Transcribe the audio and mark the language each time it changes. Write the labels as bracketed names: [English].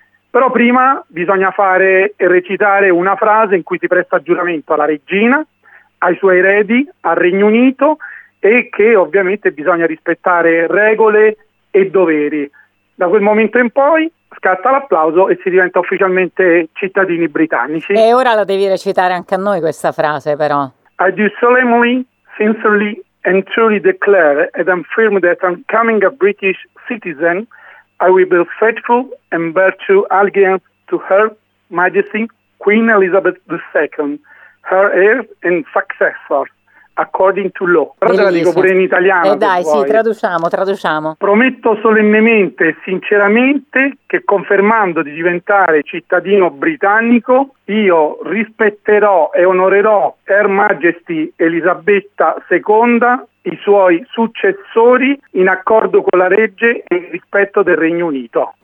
[Italian] però prima bisogna fare e recitare una frase in cui ti presta giuramento alla regina, ai suoi eredi, al Regno Unito e che ovviamente bisogna rispettare regole e doveri. Da quel momento in poi scatta l'applauso e si diventa ufficialmente cittadini britannici. E ora la devi recitare anche a noi questa frase però. [English] I do solemnly, sincerely and truly declare and affirm that I'm coming a British citizen, I will be faithful and bear true allegiance to Her Majesty Queen Elizabeth II, her heir and successor. According to law. [Italian] Però bellissimo. Te la dico pure in italiano. E dai, vuoi. Sì, traduciamo. Prometto solennemente e sinceramente che confermando di diventare cittadino britannico, io rispetterò e onorerò [English] Her Majesty [Italian] Elisabetta II, i suoi successori, in accordo con la legge e il rispetto del Regno Unito.